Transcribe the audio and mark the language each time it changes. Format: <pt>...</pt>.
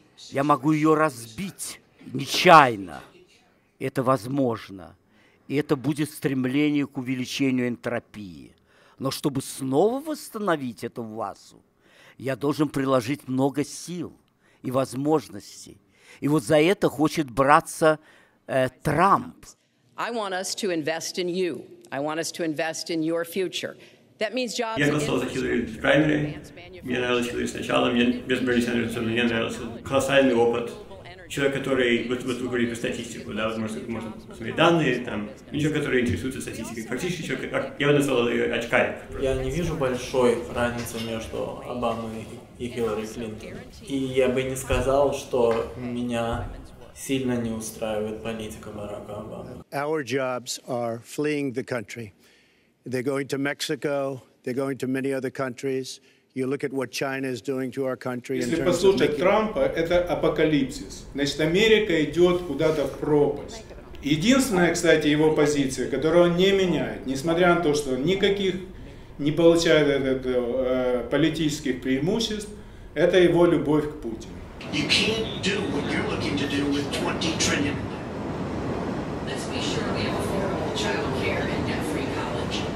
<ru>Я могу ее разбить нечаянно. Это возможно. И это будет стремление к увеличению энтропии. Но чтобы снова восстановить эту вазу, я должен приложить много сил и возможностей. И вот за это хочет браться Трамп.</ru> <en>I want us to invest in you. I want us to invest in your future. That means jobs.</en> <ru>Я голосовал за Хиллари в праймере. Мне нравилась Хиллари сначала, без Берни Сандерса, но мне нравился колоссальный опыт. Человек, который, вот вы говорили про статистику, да, возможно, можно посмотреть данные, там, человек, который интересуется статистикой. Фактически человек, я бы назвал ее очкарик. Я не вижу большой разницы между Обамой и Хиллари Клинтон. И я бы не сказал, что меня сильно не устраивает политика Барака Обамы.</ru> <en>Our jobs are fleeing the country. They're going to Mexico, they're going to many other countries. You look at what China is doing to our country.</en> <ru>Если послушать Трампа, это апокалипсис. Значит, Америка идет куда-то в пропасть. Единственная, кстати, его позиция, которую он не меняет, несмотря на то, что никаких не получает политических преимуществ, это его любовь к Путину.</ru> <en>You can't do what you're looking to do with 20 trillion. Let's be sure we have affordable child care and debt-free college.</en>